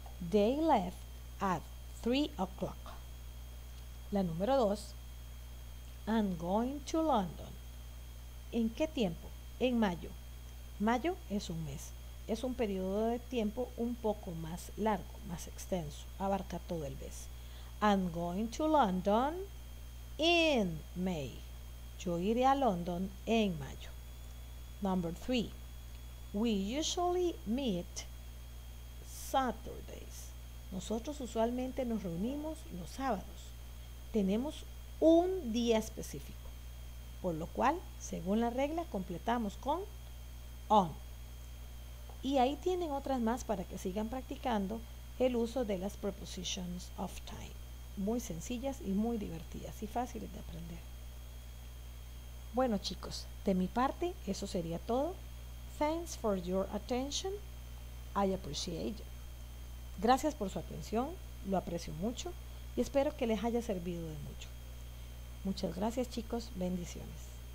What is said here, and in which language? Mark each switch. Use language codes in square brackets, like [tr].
[en] They left at 3 o'clock. [es] La número 2. [en] I'm going to London. [es] ¿En qué tiempo? En mayo. Mayo es un mes. Es un periodo de tiempo un poco más largo, más extenso. Abarca todo el mes. [en] I'm going to London in May. [es] Yo iré a London en mayo. [en] Number 3. We usually meet Saturdays. [es] Nosotros usualmente nos reunimos los sábados. Tenemos un día específico, por lo cual, según la regla, completamos con on. Y ahí tienen otras más para que sigan practicando el uso de las [en] prepositions of time. [es] Muy sencillas y muy divertidas y fáciles de aprender. Bueno, chicos, de mi parte, eso sería todo. [en] Thanks for your attention. I appreciate it. [es] Gracias por su atención. Lo aprecio mucho y espero que les haya servido de mucho. Muchas gracias, chicos. Bendiciones.